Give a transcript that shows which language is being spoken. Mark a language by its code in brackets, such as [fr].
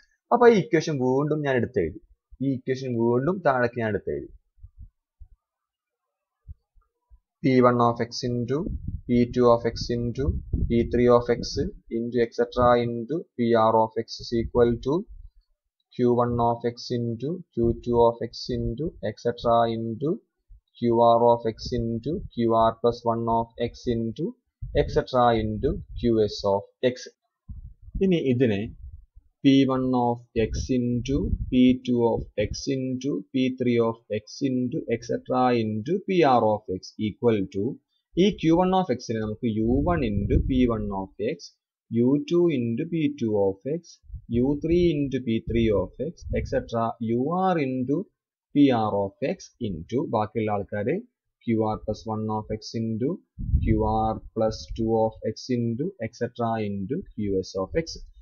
[ml] അപ്പൊ ഈ ഇക്വേഷൻ വീണ്ടും ഞാൻ എടുത്തെഴുതി, [en] ഈ ഇക്വേഷൻ വീണ്ടും താഴേക്ക് ഞാൻ എടുത്തെഴുതി, P one of X into P two of X into P three of X into etcetera into P R of X equal to Q one of X into Q two of X into etcetera into Q R of X into Q R plus one of X into etcetera into Q S of X. [ml] ഇനി ഇതിനെ [en] p1 of x into p2 of x into p3 of x into etc. into pr of x equal to ഈ Q one of എക്സിന് നമുക്ക് U one into P one of X U two into P two of X U three into P three of X etcetera U R into P R of X into [ml] ബാക്കിയുള്ള ആൾക്കാർ [en] Q R plus one of X into Q R plus two of X into etcetera into Q S of X.